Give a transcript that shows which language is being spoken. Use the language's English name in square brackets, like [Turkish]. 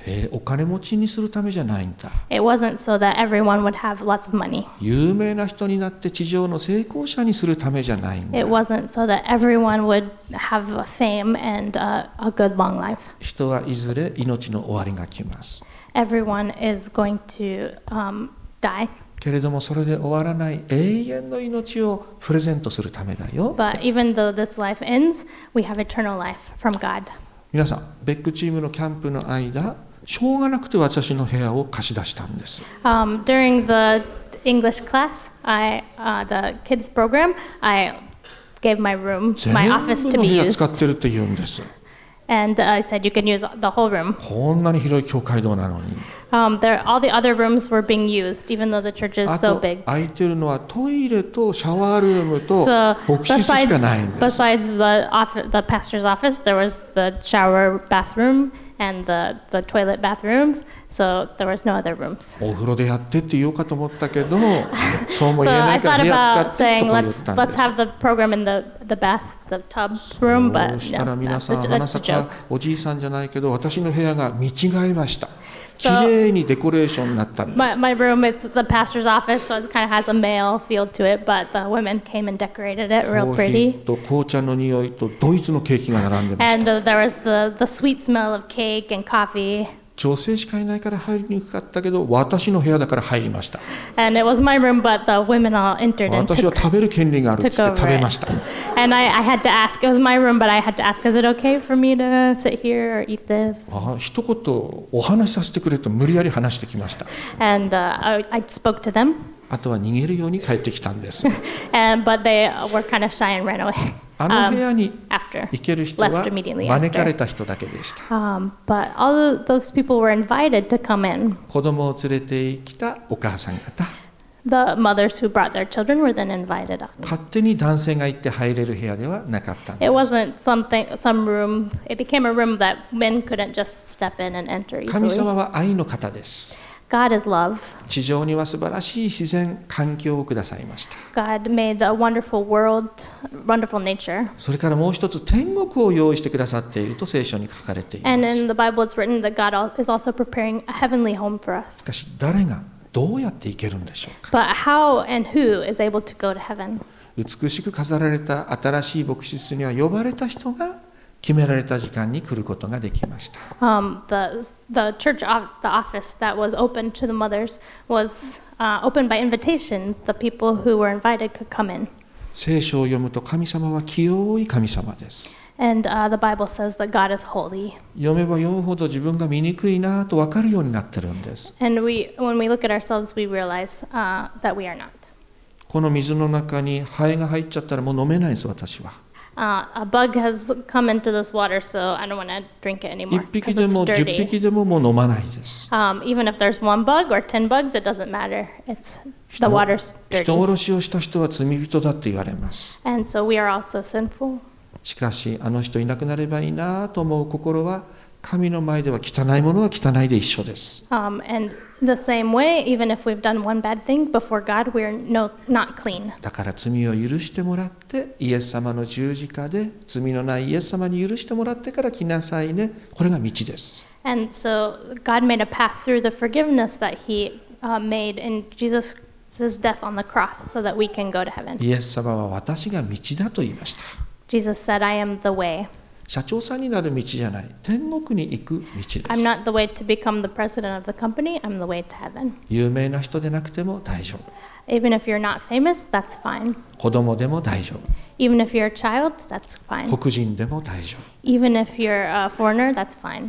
[Japanese] お金持ちにするためじゃないんだ。 [English] It wasn't so that everyone would have lots of money. [Japanese] 有名な人になって地上の成功者にするためじゃないんだ。 [English] It wasn't so that everyone would have a fame and a good long life. [Japanese] 人はいずれ命の終わりが来ます。 [English] Everyone is going to die. [Japanese] けれどもそれで終わらない永遠の命をプレゼントするためだよ。 [English] But even though this life ends, we have eternal life from God. [Japanese] 皆さん、ベックチームのキャンプの間、しょうがなくて私の部屋を貸し出したんです。 [English] During the English class, the kids program, I gave my room, my office to be used. [Japanese] 全部の部屋使ってるって言うんです。 [English] And I said you can use the whole room. [Japanese] こんなに広い教会堂なのに。 [English] All the other rooms were being used, even though the church is so big. [Japanese] あと空いてるのはトイレとシャワールームと牧師室しかないんです。 [English] Besides the pastor's office, there was the shower bathroom and the toilet bathrooms, so there was no other rooms. [Japanese] お風呂でやってって言おうかと思ったけど、そうも言えないから部屋使ってとか言ったんです。 [English] Let's have the program in the bath, the tub room, but no. [Japanese] そうしたら皆さん、花咲かおじいさんじゃないけど、私の部屋が見違えました。綺麗にデコレーションになったんです。 [English] My room, it's the pastor's office, so it kind of has a male feel to it, but the women came and decorated it real pretty. [Japanese] コーヒーと紅茶の匂いとドイツのケーキが並んでました。 [English] And there was the sweet smell of cake and coffee. [Japanese] 女性しかいないから入りにくかったけど、私の部屋だから入りました。 [English] And it was my room, but the women all entered and took. [Japanese] 私は食べる権利があるっつって食べました。 [English] And I had to ask. It was my room, but I had to ask, is it okay for me to sit here or eat this? [Japanese] 一言お話しさせてくれと無理やり話してきました。 [English] And I spoke to them. [Japanese] あとは逃げるように帰ってきたんです。 [English] And but they were kind of shy and ran away. [Japanese] あの部屋に行ける人は招かれた人だけでした。 [English] But all those people were invited to come in. [Japanese] 子供を連れてきたお母さん方。 [English] The mothers who brought their children were then invited up. [Japanese] 勝手に男性が行って入れる部屋ではなかったんです。 [English] It wasn't some room. It became a room that men couldn't just step in and enter easily. [Japanese] 神様は愛の方です。 [English] God is love. [Japanese] 地上には素晴らしい自然環境をくださいました。 [English] God made a wonderful world, wonderful nature. [Japanese] それからもう一つ天国を用意してくださっていると聖書に書かれています。 [English] And in the Bible, it's written that God is also preparing a heavenly home for us. [Japanese] しかし誰がどうやって行けるんでしょうか。 [English] But how and who is able to go to heaven? [Japanese] 美しく飾られた新しい牧師室には呼ばれた人が決められた時間に来ることができました。 [English] The church the office that was open to the mothers was open by invitation. The people who were invited could come in. [Japanese] 聖書を読むと神様は清い神様です。 [English] And the Bible says that God is holy. [Japanese] 読めば読むほど自分が醜いなと分かるようになってるんです。 [English] And when we look at ourselves, we realize that we are not. [Japanese] この水の中にハエが入っちゃったらもう飲めないです私は。 [English] A bug has come into this water, so I don't want to drink it anymore. [Japanese] 一匹でも十匹でももう飲まないです。 [English] Even if there's one bug or ten bugs, it doesn't matter. It's the water's dirty. [Japanese] 人殺しをした人は罪人だって言われます。 [English] And so we are also sinful. [Japanese] しかしあの人いなくなればいいなと思う心は神の前では汚いものは汚いで一緒です。 [English] And the same way, even if we've done one bad thing before God, we're not clean. [Japanese] だから罪を許してもらってイエス様の十字架で罪のないイエス様に許してもらってから来なさいね。これが道です。 [English] And so God made a path through the forgiveness that He made in Jesus His death on the cross, so that we can go to heaven. [Japanese] イエス様は私が道だと言いました。 [English] Jesus said, I am the way. [Japanese] 社長さんになる道じゃない。天国に行く道です。 [English] I'm not the way to become the president of the company. I'm the way to heaven. [Japanese] 有名な人でなくても大丈夫。 [English] Even if you're not famous, that's fine. [Japanese] 子供でも大丈夫。 [English] Even if you're a child, that's fine. [Japanese] 黒人でも大丈夫。 [English] Even if you're a foreigner, that's fine.